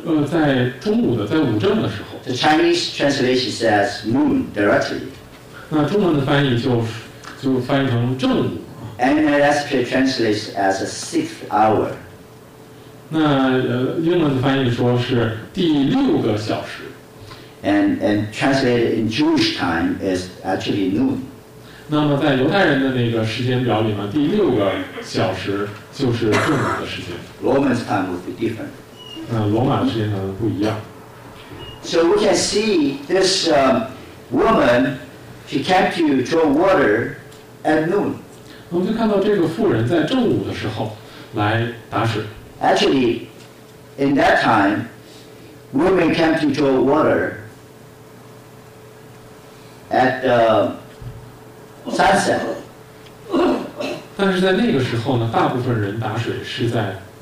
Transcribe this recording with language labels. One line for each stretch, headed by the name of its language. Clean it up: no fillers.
Chinese: 在中午的，在午正的时候。
English: The Chinese translation says noon directly.
Chinese: 那中文的翻译就翻译成正午。
English: And NLSP translates as a sixth hour.
Chinese: 那英文的翻译说是第六个小时。
English: And translated in Jewish time is actually noon.
Chinese: 那么在犹太人的那个时间表里面，第六个小时就是正午的时间。
English: Roman's time would be different.
Chinese: 罗马的时间可能不一样。
English: So we can see this woman, she came to draw water at noon.
Chinese: 我们就看到这个妇人在正午的时候来打水。
English: Actually, in that time, women came to draw water at sunset.
Chinese: 但是在那个时候呢，大部分人打水是在。